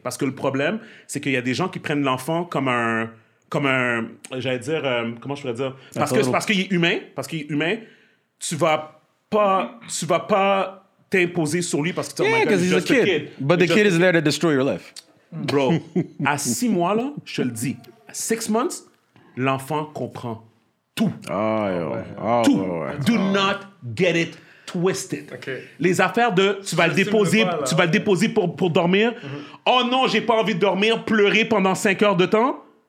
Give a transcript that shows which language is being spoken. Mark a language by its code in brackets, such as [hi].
[fr] Parce que le problème, c'est qu'il y a des gens qui prennent l'enfant comme un... J'allais dire... comment je pourrais dire? Parce qu'il est humain, tu vas pas t'imposer sur lui parce que tu es un [en] kid. Yeah, because he's a kid. But the kid is there to destroy your life. [fr] Bro, à 6 mois, là, je le dis, à 6 [en] months, [fr] l'enfant comprend tout. Oh, yo. Oh, tout. Oh, [en] do not get it twisted. Okay. [fr] Les affaires de tu vas le déposer, pas, tu vas le déposer pour dormir. Mm-hmm. Oh non, j'ai pas envie de dormir, pleurer pendant 5 heures de temps.